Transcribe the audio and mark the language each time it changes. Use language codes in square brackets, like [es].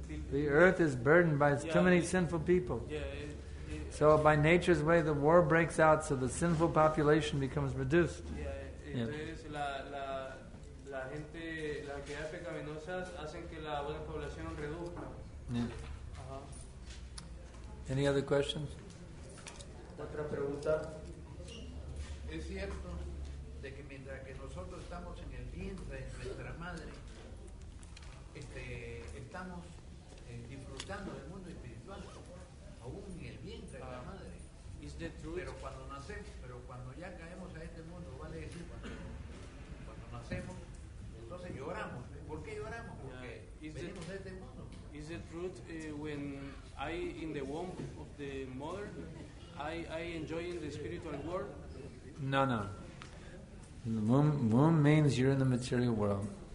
[en] The earth is burdened by too many sinful people. Yeah, so by nature's way, the war breaks out so the sinful population becomes reduced. Yeah. [es] Entonces, la gente, las actividades pecaminosas hacen que la buena población reduzca. [en] Yeah. Uh-huh. Any other questions? [es] Otra pregunta. ¿Es cierto de que mientras que nosotros estamos en el vientre de nuestra madre, estamos disfrutando del mundo espiritual aún en el vientre de la madre? [en] Is that true? [es] Pero cuando nacemos, pero cuando ya caemos a este mundo, vale decir, cuando nacemos, entonces lloramos. ¿Por qué lloramos? Porque venimos de este mundo. [en] Is it true when I in the womb of the mother I enjoy in the spiritual world? No. The womb means you're in the material world.